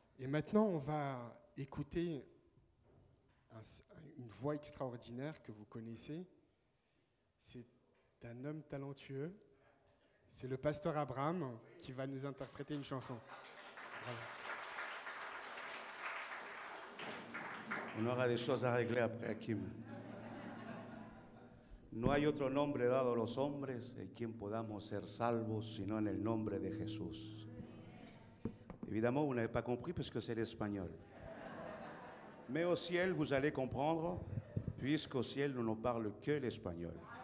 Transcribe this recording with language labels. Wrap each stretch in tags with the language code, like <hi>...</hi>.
<fr>Et maintenant, on va écouter une voix extraordinaire que vous connaissez. C'est un homme talentueux. C'est le pasteur Abraham qui va nous interpréter une chanson. Bravo. On aura des choses à régler après, Hakim.</fr> <es>No hay otro nombre dado a los hombres en quien podamos ser salvos sino en el nombre de Jesús.</es> <fr>Évidemment, vous n'avez pas compris parce que c'est l'espagnol. Mais au ciel, vous allez comprendre puisqu'au ciel, nous ne parlons que l'espagnol.</fr>